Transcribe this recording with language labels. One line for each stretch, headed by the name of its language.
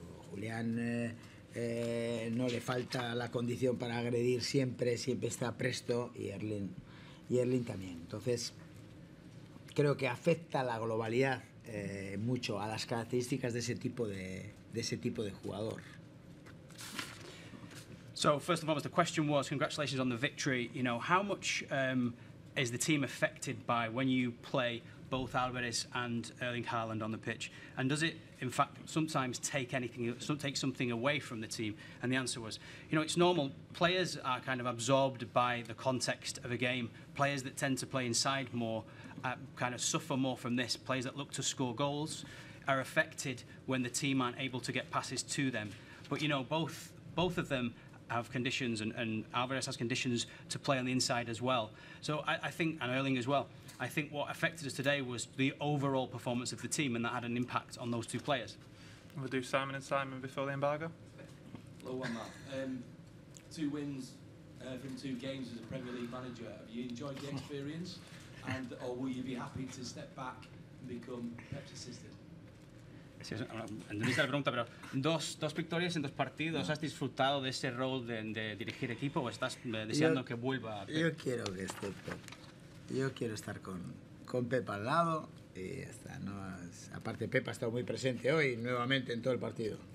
Spanish: Julián no le falta la condición para agredir siempre está presto, y Erling también. Entonces, creo que afecta la globalidad mucho a las características de ese tipo de jugador.
English: So first of all, the question was, congratulations on the victory. You know, how much is the team affected by when you play both Alvarez and Erling Haaland on the pitch? And does it, in fact, sometimes take something away from the team? And the answer was, you know, it's normal. Players are kind of absorbed by the context of a game. Players that tend to play inside more kind of suffer more from this. Players that look to score goals are affected when the team aren't able to get passes to them. But, you know, both of them have conditions, and Alvarez has conditions to play on the inside as well. So I think, and Erling as well, I think what affected us today was the overall performance of the team, and that had an impact on those two players. We'll do Simon and Simon before the embargo. Hello, one, Matt. Two wins from two games as a Premier League manager. Have you enjoyed the experience? Or will you be happy to step back and become Pep's assistant?
Spanish: Entendiste la pregunta, pero dos victorias en dos partidos, ¿has disfrutado de ese rol de dirigir equipo o estás deseando que vuelva a Pep? Yo quiero que esté Pep. Yo quiero estar con Pep al lado y ya está. No, aparte, Pep ha estado muy presente hoy, nuevamente, en todo el partido.